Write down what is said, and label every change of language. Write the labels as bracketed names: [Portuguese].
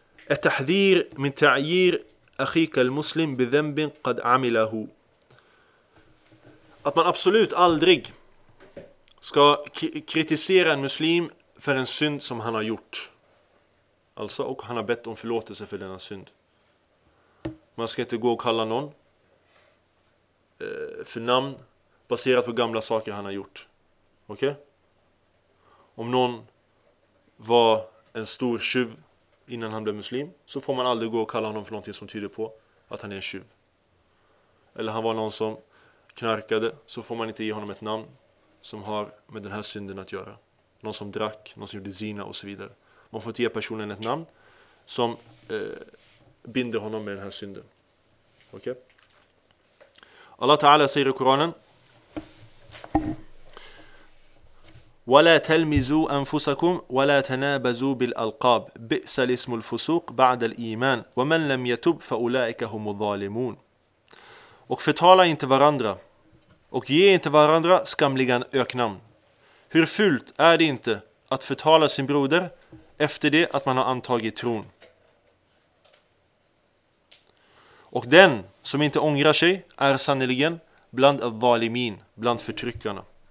[Arabic] التحذير من تعيير أخيك المسلم بذنب قد عمله. [Swedish] Att man absolut aldrig ska kritisera en muslim för en synd som han har gjort. Alltså, och han har bett om förlåtelse för denna synd. Man ska inte gå och kalla någon för namn baserat på gamla saker han har gjort. Okej? Okay? Om någon var en stor tjuv innan han blev muslim, så får man aldrig gå och kalla honom för någonting som tyder på att han är en tjuv. Eller han var någon som knarkade, så får man inte ge honom ett namn som har med den här synden att göra. Någon som drack, någon som gjorde zina och så vidare. Man får inte ge personen ett namn som binder honom med den här synden. Okej? Okay? Allah Ta'ala säger i Koranen: [Arabic] ولا تلمزوا انفسكم ولا تنابزوا بالالقاب بئس الاسم الفسوق بعد الايمان ومن لم يتب فاولئك هم الظالمون. [Swedish] Och förtala inte varandra och ge inte varandra skamliga öknamn. Hur fult är det inte att förtala sin broder efter det att man har antagit tron? Och den som inte ångrar sig är sannerligen bland al-zalimin, bland förtryckarna.